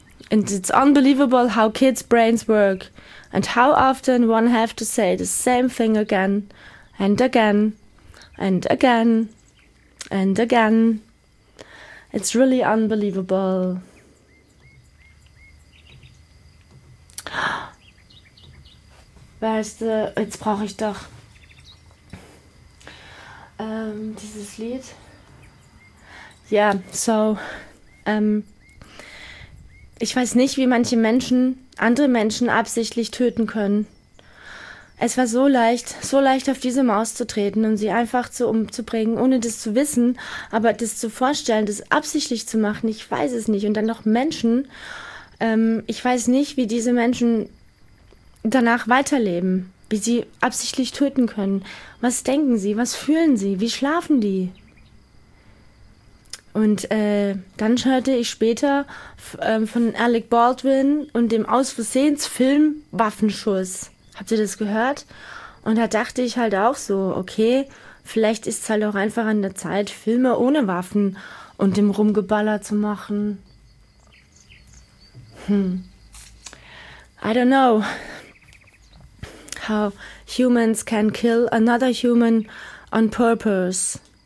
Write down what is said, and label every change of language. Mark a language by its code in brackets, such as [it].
[en] And it's unbelievable how kids' brains work and how often one have to say the same thing again and again and again and again. It's really unbelievable. [de] Weißt du, jetzt brauche ich doch dieses Lied. Ja, so, ich weiß nicht, wie manche Menschen andere Menschen absichtlich töten können. Es war so leicht auf diese Maus zu treten und sie einfach zu umzubringen, ohne das zu wissen, aber das zu vorstellen, das absichtlich zu machen, ich weiß es nicht. Und dann noch Menschen, ich weiß nicht, wie diese Menschen danach weiterleben, wie sie absichtlich töten können. Was denken sie, was fühlen sie, wie schlafen die? Und dann hörte ich später von Alec Baldwin und dem aus Versehens Film Waffenschuss. Habt ihr das gehört? Und da dachte ich halt auch so, okay, vielleicht ist es halt auch einfach an der Zeit, Filme ohne Waffen und dem Rumgeballer zu machen. [en] I don't know how humans can kill another human on purpose.